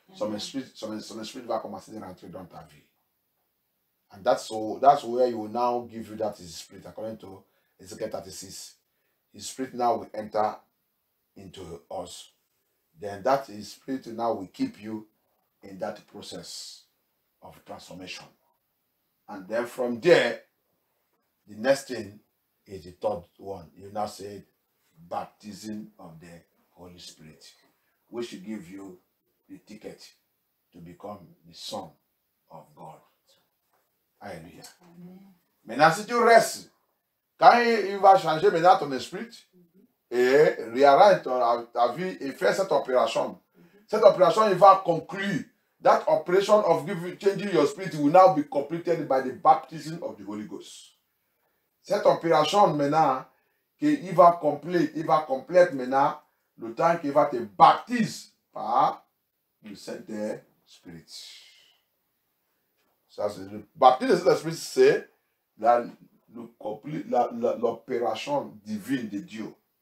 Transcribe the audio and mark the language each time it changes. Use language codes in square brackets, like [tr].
[fr] Son esprit va commencer à rentrer dans ta vie. [en] And that's where he will now give you that spirit, according to Ézéchiel 36. His spirit now will enter into us. Then that spirit now will keep you in that process of transformation. And then from there, the next thing is the third one. You now say baptism of the Holy Spirit, which will give you the ticket to become the son of God. [fr] Alléluia. Maintenant, si tu restes, quand il va changer maintenant ton esprit, et réarrange ta vie et fais cette opération. Cette opération, il va conclure. [en] That operation of changing your spirit will now be completed by the baptism of the Holy Ghost. [fr] Cette opération maintenant, qu'il va compléter, il va compléter maintenant le temps qu'il va te baptiser par le Saint-Esprit. Ça, c'est le baptisme de Saint-Esprit, c'est l'opération divine de Dieu.